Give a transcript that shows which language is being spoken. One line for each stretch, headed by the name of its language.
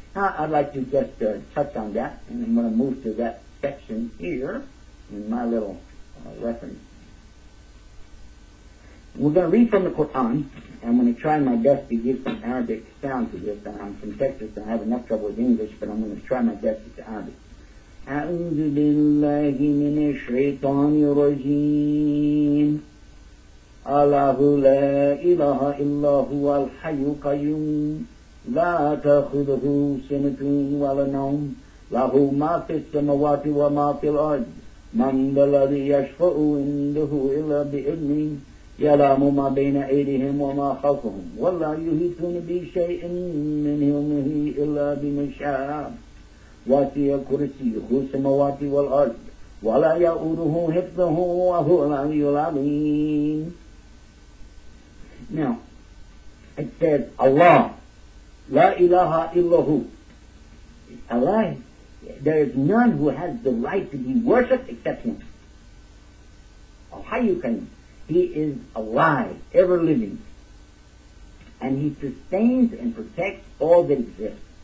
English: Now, I'd like to just touch on that, and I'm going to move to that section here in my little reference. We're going to read from the Quran. I'm going to try my best to give some Arabic sound to this. I'm from Texas and I have enough trouble with English, but I'm going to try my best to Arabic.
Arabic: أعوذ بالله من الشيطان الرجيم الله لا إله إلا هو الحي القيوم لا تأخذه سنة ولا نوم له ما في السماوات وما في الأرض من ذا الذي يشفع عنده إلا بإذنه يعلم ما بين أيديهم وما خلفهم ولا يحيطون بشيء من علمه إلا بما شاء وسع كرسيه السماوات والأرض ولا يؤوده حفظه وهو العلي العظيم.
English: Now, it says Allah,
Arabic: لا إله إلا هو.
English: Allah, there is none who has the right to be worshipped except Him. Al-Hayyu Qayyum. He is alive, ever living. And he sustains and protects all that exists.